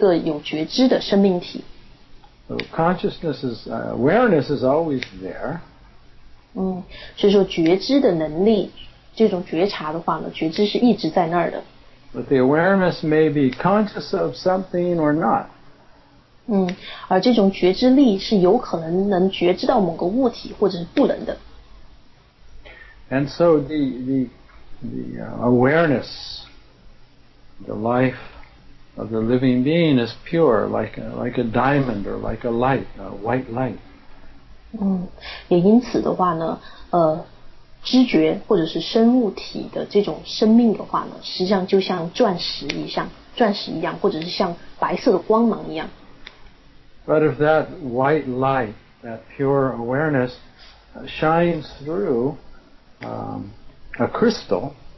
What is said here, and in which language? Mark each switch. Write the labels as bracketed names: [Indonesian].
[Chinese] 所以说当我的知觉能够觉察到你的存在的时候，那么这个时候就是我是一个有觉知的生命体。 [English] So consciousness is awareness is always there. [Chinese] 所以说觉知的能力，这种觉察的话呢，觉知是一直在那儿的。 [English] But the awareness may be conscious of something or not. [Chinese] 而这种觉知力是有可能能觉知到某个物体，或者是不能的。 [English] And so the awareness, the life of the living being is pure, like a diamond or like a light, a white light. [Chinese] 也因此的话呢，知觉或者是生物体的这种生命的话呢，实际上就像钻石一样，或者是像白色的光芒一样。 [English] But if that white light, that pure awareness, shines through, a crystal,